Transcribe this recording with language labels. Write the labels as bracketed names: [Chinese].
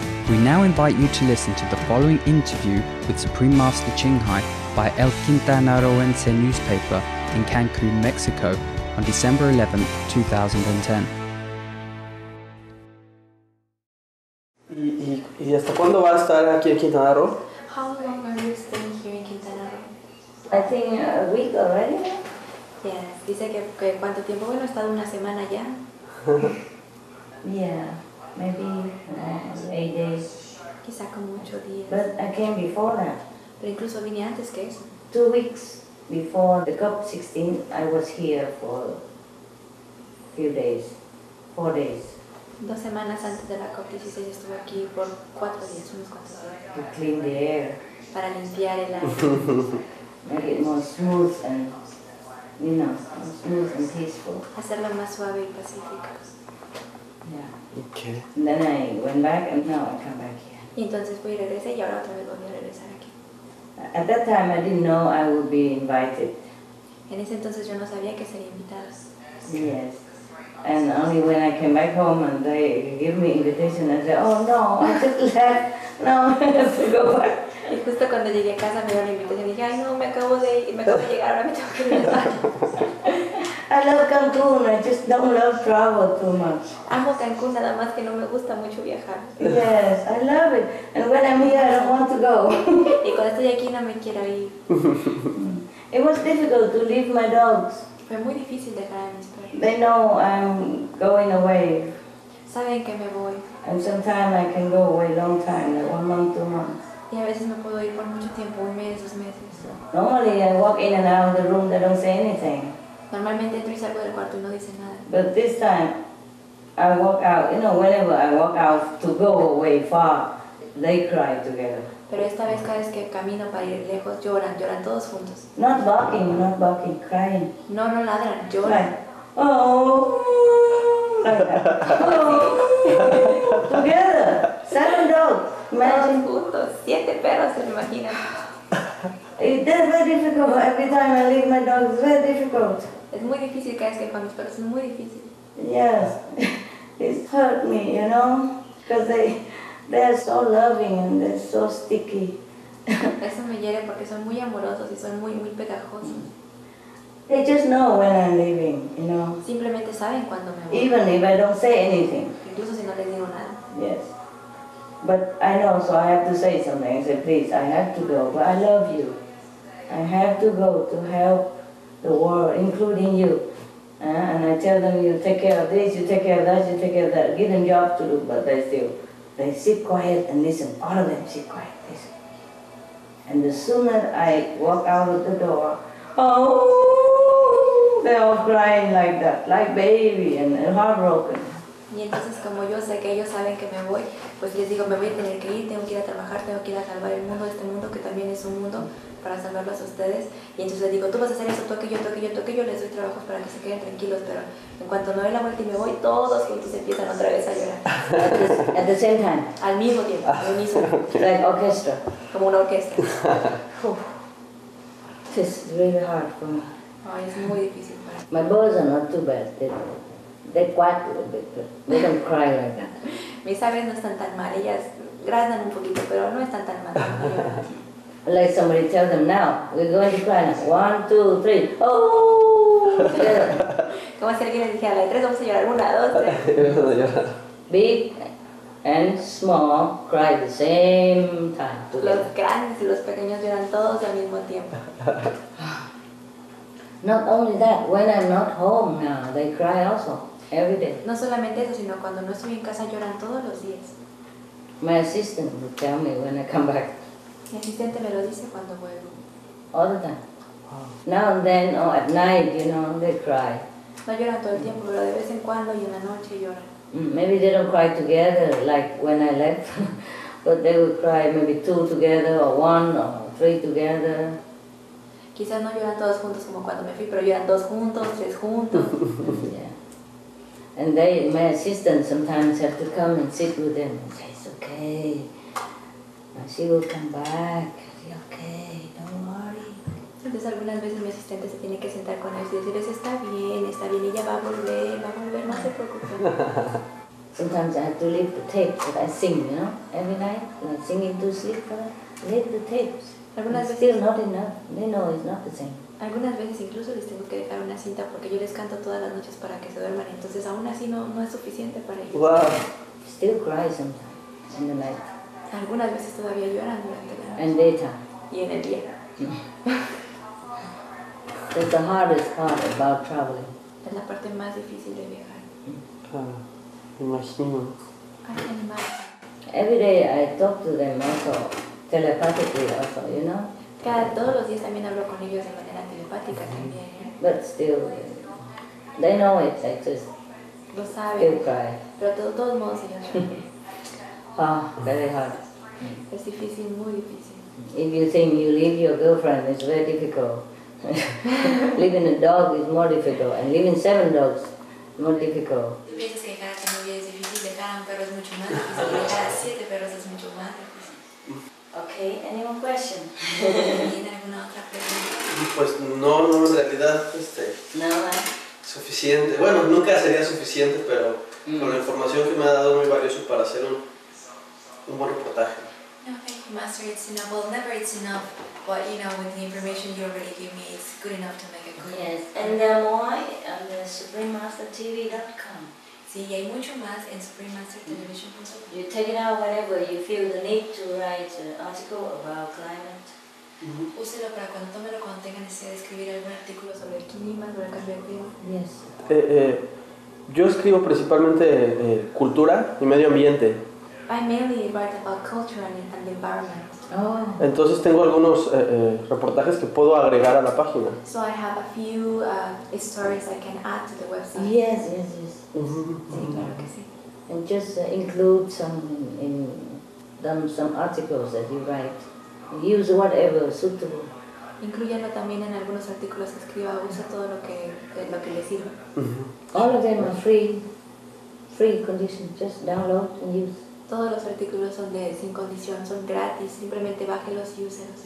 [English] We now invite you to listen to the following interview with Supreme Master Qinghai by El Quintanarroense newspaper in Cancun, Mexico on December 11, 2010. [Spanish] ¿Y hasta cuándo va a estar aquí en Quintana Roo? [English] How long are you staying here in Quintana Roo? I think a week already. [Spanish] Yes, dice que cuánto tiempo. Bueno, he estado una semana ya. [English] Yeah, maybe 8 days. [Spanish] Quizá como 8 días. [English] But I came before that. [Spanish] Pero incluso vine antes que eso. [English] 2 weeks before the COP16, I was here for a few days, 4 days. [Spanish] 2 semanas antes de la COP16 estuve aquí por 4 días, unos 4 días. [English] To clean the air. [Spanish] Para limpiar el aire. [English] Make it more smooth and, you know, more smooth and peaceful. [Spanish] Hacerlo más suave y pacífico. [English] Yeah. Okay. And then I went back and now I come back here. [Spanish] Y entonces fui y regresé y ahora otra vez volví a regresar aquí. [English] At that time I didn't know I would be invited. [Spanish] En ese entonces yo no sabía que sería invitada. [English] Yes. And only when I came back home and they give me invitation, I said, oh no, I just left. No, I have to go back. [Spanish] Y justo cuando llegué a casa me dio la invitación y dije, ay no, me acabo de ir, me acabo de llegar, ahora me tengo que regresar. [English] I love Cancun, I just don't love travel too much. [Spanish] Amo Cancun, nada más que no me gusta mucho viajar. [English] Yes, I love it. And when I'm here, I don't want to go. [Spanish] Y cuando estoy aquí no me quiero ir. [English] It was difficult to leave my dogs. [Spanish] Fue muy difícil dejar a mis perros. [English] They know I'm going away. [Spanish] Saben que me voy. [English] And sometimes I can go away a long time, like 1 month, 2 months. [Spanish] Y a veces me puedo ir por mucho tiempo, 1 mes, 2 meses. [English] Normally I walk in and out of the room, they don't say anything. [Spanish] Normalmente entro y salgo del cuarto y no dicen nada. [English] But this time I walk out, you know, whenever I walk out to go away far, they cry together. [Spanish] Pero esta vez cada vez que camino para ir lejos lloran todos juntos. [English] Not barking, crying. [Spanish] No ladran, lloran. [English] Cry. Oh, like that. Oh. Together, 7 dogs. Imagine. [Spanish] Todos juntos, 7 perros, se imagina. [English] It's very difficult every time I leave my dogs. It's very difficult. [Spanish] Es muy difícil cada vez que con mis perros, es muy difícil. [English] Yes, it's hurt me, you know, because they're so loving and they're so sticky. [Spanish] Eso me hiere porque son muy amorosos y son muy, muy pegajosos. [English] They just know when I'm leaving, you know. [Spanish] Simplemente saben cuando me voy. [English] Even if I don't say anything. [Spanish] Incluso si no les digo nada. [English] Yes. But I know, so I have to say something. I say, please, I have to go, but I love you. I have to go to help the world, including you. And I tell them, you take care of this, you take care of that, you take care of that. Give them job to do, but they still. They sit quiet and listen. All of them sit quiet and listen. And the sooner I walk out of the door, oh, they're all crying like that, like baby and heartbroken. [Spanish] Y entonces, como yo sé que ellos saben que me voy, pues les digo, me voy a tener que ir, tengo que ir a trabajar, tengo que ir a salvar el mundo, este mundo que también es un mundo, para salvarlos a ustedes. Y entonces les digo, tú vas a hacer eso, toque yo, les doy trabajos para que se queden tranquilos, pero en cuanto no doy la vuelta y me voy, todos juntos empiezan otra vez a llorar. [English] At the same time. [Spanish] Al mismo tiempo, al mismo [English] tiempo. Like orchestra. [Spanish] Como una orquesta. [English] This is really hard for me. [Spanish] Ay, es muy difícil para [English] mí. My boys are not too bad. They're quiet a little bit, but they don't cry like that. [Spanish] Mis aves no están tan mal, ellas graznan un poquito, pero no están tan mal. [English] Like somebody tell them now, we're going to cry now. 1, 2, 3. Oh! [Spanish] Como si alguien les dijera, la de tres vamos a llorar. 1, 2, 3. [English] Big and small cry the same time. [Spanish] Los grandes y los pequeños lloran todos al mismo tiempo. [English] Not only that, when I'm not home now, they cry also, every day. [Spanish] No solamente eso, sino cuando no estoy en casa lloran todos los días. [English] My assistant will tell me when I come back. [Spanish] Mi asistente me lo dice cuando vuelvo. [English] All the time. Now and then, or at night, you know, they cry. [Spanish] No lloran todo el tiempo, pero de vez en cuando y en la noche lloran. [English] Maybe they don't cry together, like when I left. But they will cry maybe 2 together, or 1, or 3 together. [Spanish] Quizás no lloran todos juntos como cuando me fui, pero lloran 2 juntos, 3 juntos. [English] Yeah. And they, my assistant sometimes have to come and sit with them and say, it's okay. She will come back. She's okay, don't worry. [Spanish] Entonces algunas veces mi asistente se tiene que sentar con ellos y decirles, está bien, ella va a volver, no se preocupen. [English] Sometimes I have to leave the tape that I sing, you know, every night. I'm singing to sleep, but I leave the tapes. [Spanish] Algunas veces, [English] still not enough. They know it's not the same. [Spanish] Algunas veces incluso les tengo que dejar una cinta porque yo les canto todas las noches para que se duerman. Entonces aún así no es suficiente para ellos. [English] Wow. Still cry sometimes in the night. [Spanish] Algunas veces todavía lloran durante la noche. [English] And later. [Spanish] Y en el día. [English] That's the hardest part about traveling. [Spanish] Es la parte más difícil de viajar. Claro. Imagino. [English] I can imagine. Every day I talk to them also, telepathically also, you know? [Spanish] Todos los días también hablo con ellos de manera telepática también. [English] But still, they know it, I just [Spanish] lo saben. [English] Still cry. [Spanish] Pero de todos modos ellos lloran. [English] Very hard. [Spanish] Es difícil, muy difícil. [English] If you think you leave your girlfriend, it's very difficult. Leaving a dog is more difficult, and leaving 7 dogs, more difficult. [Spanish] Tú piensas que dejar a tu novia es difícil, dejar a un perro es mucho más difícil, dejar a 7 perros es mucho más difícil. [English] Okay, any more question? [Spanish] ¿Tiene alguna otra pregunta? Pues no, en realidad, No, suficiente. Bueno, nunca sería suficiente, pero con la información que me ha dado, muy valioso para hacer un buen reportaje. [English] No, thank you, Master. It's enough. Well, never it's enough, but you know, with the information you already gave me, it's good enough to make a good. Yes. And there more on the SupremeMasterTV.com. [Spanish] Sí, y hay mucho más en SupremeMasterTelevision.com. [English] You take it out whenever you feel the need to write an article about climate. Mm-hmm. [Spanish] Úselo para cuando tómelo, cuando tenga necesidad de escribir algún artículo sobre el clima, sobre el cambio de clima. [English] Yes. [Spanish] Yo escribo principalmente cultura y medio ambiente. [English] I mainly write about culture and the environment. Oh. [Spanish] Entonces tengo algunos reportajes que puedo agregar a la página. [English] So I have a few stories I can add to the website. Yes. Mm-hmm. And just include some articles that you write. Use whatever suitable. [Spanish] Incluyendo también en algunos artículos que escriba, usa todo lo que le sirva. Mm-hmm. [English] All of them are free condition, just download and use. [Spanish] Todos los artículos son de sin condición, son gratis, simplemente bájelos y úselos.